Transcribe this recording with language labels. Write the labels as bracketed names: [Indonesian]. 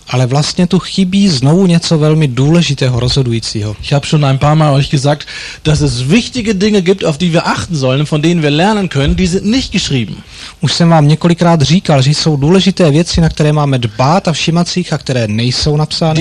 [Czech] Ale vlastně tu chybí znovu něco velmi důležitého, rozhodujícího. [German] Ich habe schon ein paar Mal euch gesagt, dass es wichtige Dinge gibt, auf die wir achten sollen, von denen wir lernen können, die sind nicht geschrieben. [Czech] Už jsem vám několikrát říkal, že jsou důležité věci, na které máme dbát a všímat si jich, a které nejsou napsány.